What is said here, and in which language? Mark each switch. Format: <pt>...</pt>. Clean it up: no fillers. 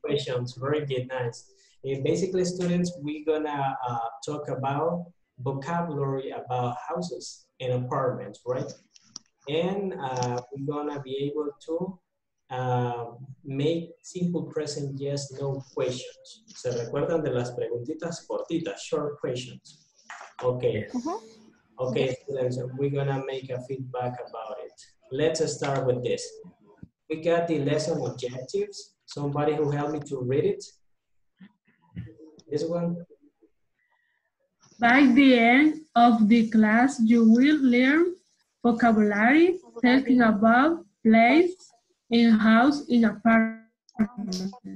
<en>Questions. Very good. Nice. And basically, students, we're going to talk about vocabulary about houses and apartments, right? And we're going to be able to make simple present yes no questions.</en> <es>¿Se recuerdan de las preguntitas cortitas,</es> <en>short questions? Okay. Uh-huh. Okay, students, we're gonna make a feedback about it. Let's start with this. We got the lesson objectives. Somebody who helped me to read it. This one. By the end of the class, you will learn vocabulary, talking about place, in house, in apartment.</en>